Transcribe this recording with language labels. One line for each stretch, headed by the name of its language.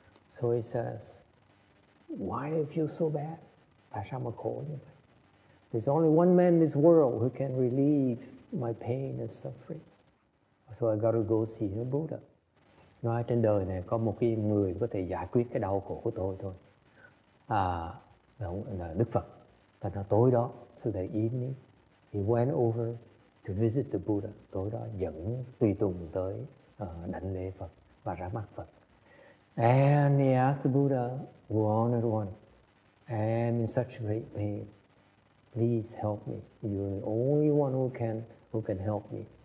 English: So he says, why do you feel so bad?
Vietnamese: Tại sao mà khổ như vậy?
English: There's only one man in this world who can relieve my pain and suffering. So I got to go see the Buddha.
Vietnamese: Nói trên đời này có một cái người có thể giải quyết cái đau khổ của tôi thôi. Là Đức Phật. Thành ra tối đó,
English: so that evening, he went over to visit the Buddha.
Vietnamese: Tối đó dẫn tùy tùng tới đảnh lễ Phật và ra mắt Phật.
English: And he asked the Buddha, who honored one, I'm in such great pain. Please help me. You're the only one who can help me.